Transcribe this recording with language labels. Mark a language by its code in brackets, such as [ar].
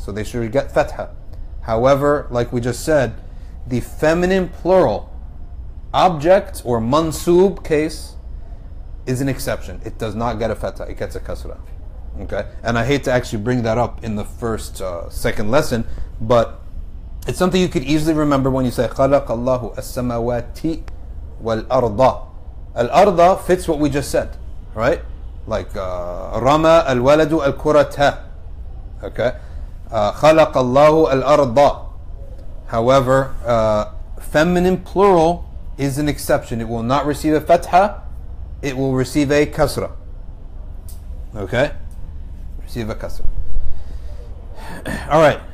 [en] So they should get fatha. However, like we just said, the feminine plural object or mansub case is an exception. It does not get a fatha. It gets a kasra. Okay? And I hate to actually bring that up in the first, second lesson, but it's something you could easily remember when you say [ar] خَلَقَ اللَّهُ السَّمَوَاتِ وَالْأَرْضَ. [en] Al-arda fits what we just said, right? Like [ar] رَمَى الْوَلَدُ الْكُرَةَ. [en] Okay? [ar] خَلَقَ اللَّهُ الْأَرْضَ. [en] However, feminine plural is an exception. It will not receive a fatha. It will receive a kasra. Okay? Receive a kasra. Alright.